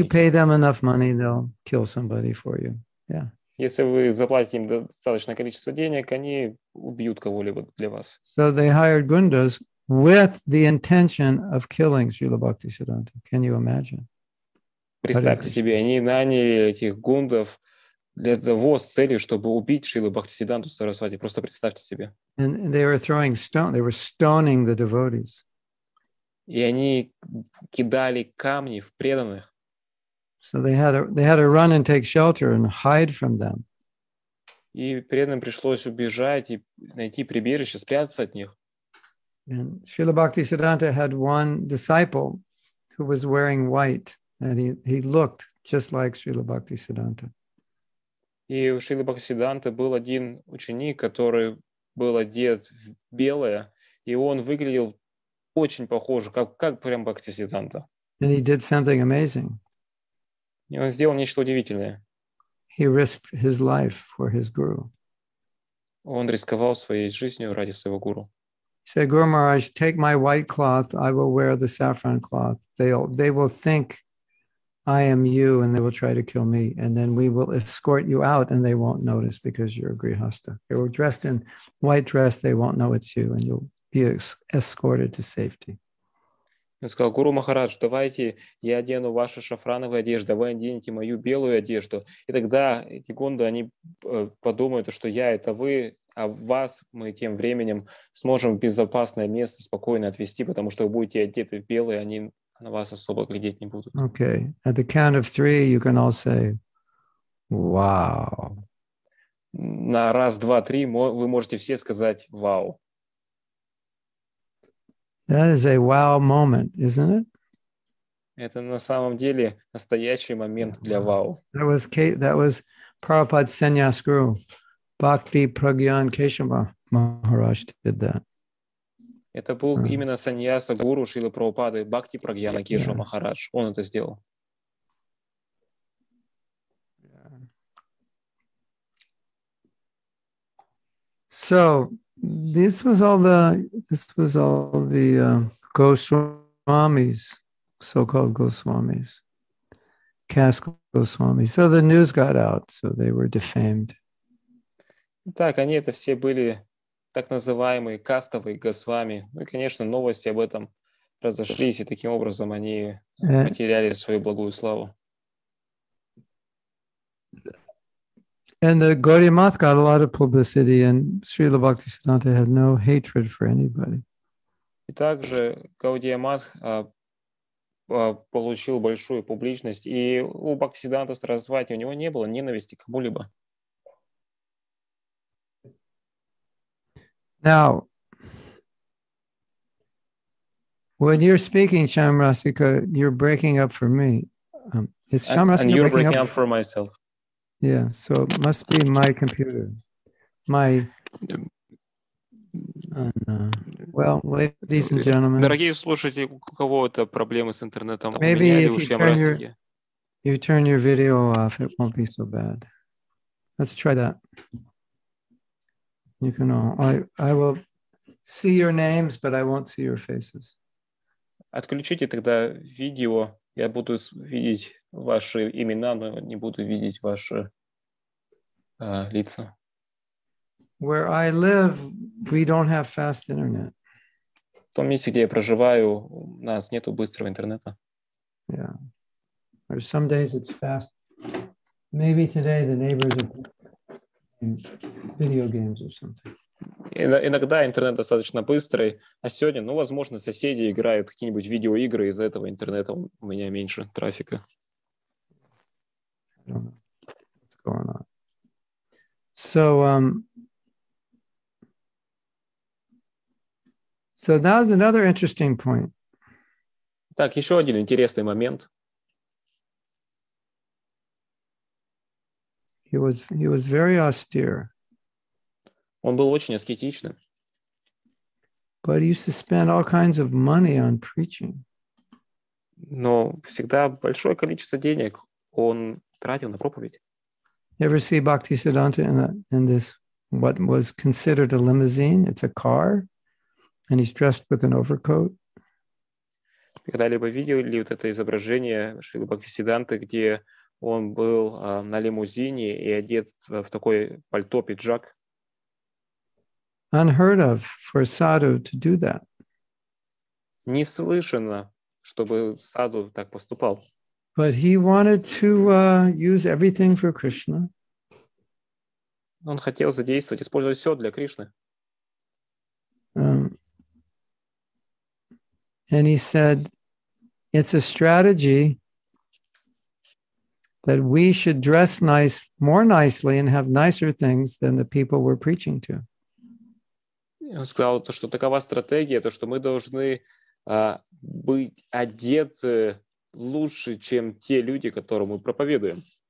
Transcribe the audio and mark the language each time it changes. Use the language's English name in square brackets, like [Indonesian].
[English] If you pay them enough money, they'll kill somebody for you. Yeah. [Russian] Если вы заплатите им достаточное количество денег, они убьют кого-либо для вас. [English] So they hired Gundas with the intention of killing Srila Bhaktisiddhanta. Can you imagine? [Russian] Представьте себе, они наняли этих гундов для того с целью, чтобы убить Шрилу Бхактисиддханту Сарасвати. Просто представьте себе. [English] And they were throwing stone, they were stoning the devotees. [Russian] И они кидали камни в преданных. [English] So they had to run and take shelter and hide from them. [Russian] И преданным пришлось убежать и найти прибежище, спрятаться от них. [English] And Srila Bhaktisiddhanta had one disciple who was wearing white, and he looked just like Srila Bhaktisiddhanta. [Russian] И у Шрилы Бхактисиддханты был один ученик, который был одет в белое, и он выглядел очень похоже, как прям Бхактисиддханта. [English] And he did something amazing. [Russian] И он сделал нечто удивительное. [English] He risked his life for his guru. [Russian] Он рисковал своей жизнью ради своего гуру. [English] He said, Guru Maharaj, take my white cloth, I will wear the saffron cloth. They will think I am you, and they will try to kill me, and then we will escort you out, and they won't notice because you're a grihastha. They were dressed in white dress, they won't know it's you, and you'll be escorted to safety. [Russian] Он сказал, Гуру Махарадж, давайте я одену ваши шафрановые одежды, вы оденете мою белую одежду, и тогда эти гунды, они подумают, что я это вы, а вас мы тем временем сможем в безопасное место спокойно отвезти, потому что вы будете одеты в белые, они на вас особо глядеть не будут. [English] Okay. At the count of three, you can all say, wow. [Russian] На раз, два, три вы можете все сказать вау. [English] That is a wow moment, isn't it? [Russian] Это на самом деле настоящий момент для вау. [English] That was Prabhupada Sannyas Guru. Bhakti Pragyan Keshava Maharaj did that. [Russian] Это был именно саньяса гуру Шрилы Прабхупады Бхакти Прагьяна Кешава Махарадж. Он это сделал. [English] So, this was all the Goswami Goswamis, so-called Goswamis, caste Goswamis. So the news got out, so they were defamed. [Russian] Так, они это все были так называемые кастовые Госвами. Ну и, конечно, новости об этом разошлись, и таким образом они потеряли свою благую славу. [English] And the Gaudiya Math got a lot of publicity, and Srila Bhaktisiddhanta had no hatred for anybody. [Russian] И также Gaudiya Math получил большую публичность, и у Бхактисиддханта Сарасвати у него не было ненависти к кому-либо. [English] Now, when you're speaking, Shyamrasika, you're breaking up for me. Is Shyamrasika and you're breaking up for myself. Yeah, so it must be my computer. My, well, ladies and gentlemen. [Russian] Дорогие слушатели, у кого это проблемы с интернетом? [English] Maybe [Russian] у меня или [English] you, [Russian] у [English] turn your, you turn your video off, it won't be so bad. Let's try that. You can all. I will see your names, but I won't see your faces. [Russian] Отключите тогда видео. Я буду видеть ваши имена, но не буду видеть ваши лица. [English] Where I live, we don't have fast internet. [Russian] В том месте, где я проживаю, у нас нету быстрого интернета. [English] Yeah. Or some days it's fast. Maybe today the neighbors are video games or something. [Russian] Иногда интернет достаточно быстрый, а сегодня, ну, возможно, соседи играют какие-нибудь видеоигры, из-за этого интернета у меня меньше трафика. [English] I don't know what's going on. So now is another interesting point. [Russian] Так, еще один интересный момент. [English] He was very austere. [Russian] Он был очень аскетичным. [English] But he used to spend all kinds of money on preaching. [Russian] Но всегда большое количество денег он тратил на проповедь. [English] Ever see Bhaktisiddhanta in this what was considered a limousine? It's a car, and he's dressed with an overcoat. [Russian] Когда-либо видели вот это изображение Шрилы Бхактисиддханты, где он был на лимузине и одет в такой пальто пиджак? [English] Unheard of for sadhu to do that. [Russian] Не слышно, чтобы саду так поступал. [English] But he wanted to use everything for Krishna. [Russian] Он хотел задействовать, использовать все для Кришны. [English] And he said, it's a strategy that we should dress nice, more nicely and have nicer things than the people we're preaching to. [Russian] Он сказал, что такова стратегия, то, что мы должны быть одеты лучше, чем те люди, которым мы проповедуем.